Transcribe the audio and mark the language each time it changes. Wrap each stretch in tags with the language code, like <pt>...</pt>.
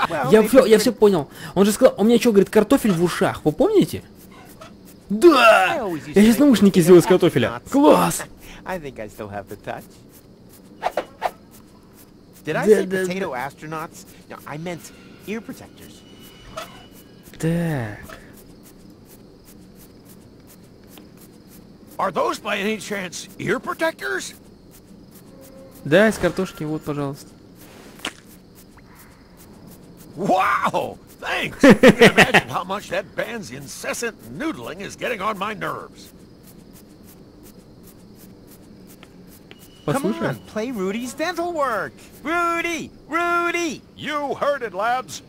<ru>Я все понял. Он же сказал, у меня что, говорит, картофель в ушах. Вы помните? Да! Я сейчас наушники сделаю из картофеля. Класс!</ru> <en>I think I still have the touch. Did I say potato astronauts? No, I meant ear protectors.</en> <ru>Так.</ru> <en>Are those by any chance ear protectors?</en> <ru>Да, из картошки, вот, пожалуйста.</ru> <en>Wow! Thanks! I can't imagine how much that band's incessant noodling is getting on my nerves. Come on, play Rudy's dental work! Rudy! Rudy! You heard it, lads!</en>